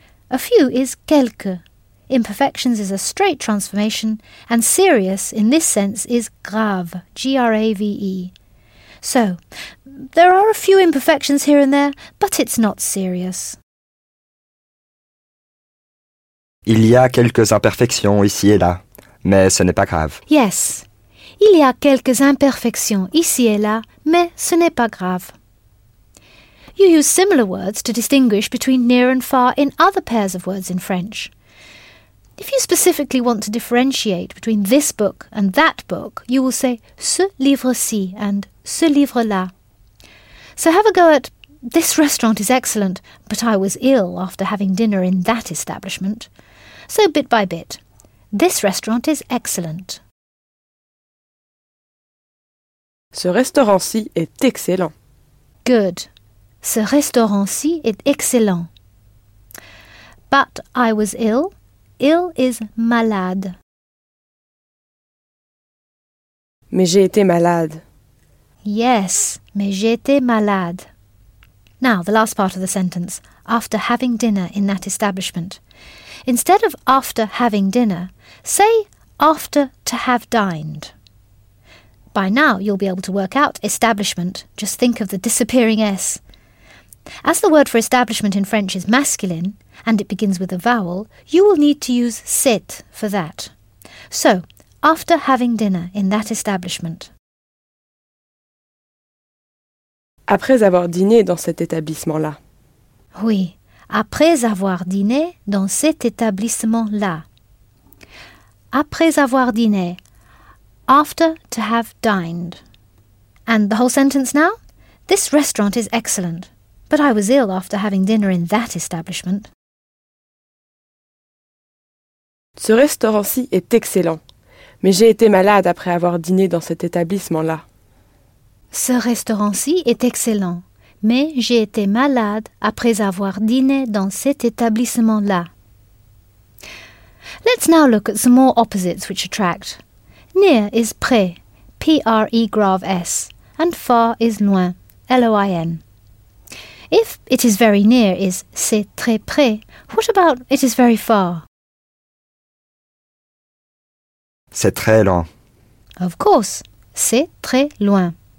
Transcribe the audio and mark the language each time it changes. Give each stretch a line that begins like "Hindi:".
English: A few is quelques. Imperfections is a straight transformation, and serious in this sense is grave, G-R-A-V-E. So, there are a few imperfections here and there, but it's not serious.
French: Il y a quelques imperfections ici et là, mais ce n'est pas grave.
English: Yes.
French: Il y a quelques imperfections ici et là, mais ce n'est pas grave.
English: You use similar words to distinguish between near and far in other pairs of words in French. If you specifically want to differentiate between this book and that book, you will say
French: ce livre-ci
English: and
French: ce livre-là.
English: So have a go at this restaurant is excellent, but I was ill after having dinner in that establishment. So bit by bit, this restaurant is excellent.
French: Ce restaurant-ci est excellent.
English: Good.
French: Ce restaurant-ci est excellent.
English: But I was ill. Ill is malade.
French: Mais j'ai été malade. Yes, mais j'ai été malade.
English: Now, the last part of the sentence. After having dinner in that establishment. Instead of after having dinner, say after to have dined. By now, you'll be able to work out establishment. Just think of the disappearing S. As the word for establishment in French is masculine, and it begins with a vowel, you will need to use cet for that. So, after having dinner in that establishment.
French: Après avoir dîné dans cet établissement-là. Oui, après avoir dîné dans cet établissement-là. Après avoir dîné.
English: After to have dined. And the whole sentence now? This restaurant is excellent. But I was ill after having dinner in that establishment.
French: Ce restaurant-ci est excellent, mais j'ai été malade après avoir dîné dans cet établissement-là. Ce restaurant-ci est excellent, mais j'ai été malade après avoir dîné dans cet établissement-là.
English: Let's now look at some more opposites which attract. Near is près, P-R-E grave S, and far is loin, L-O-I-N. If it is very near is
French: c'est très près,
English: what about it is very far?
French: C'est très loin.
English: Of course,
French: c'est très loin.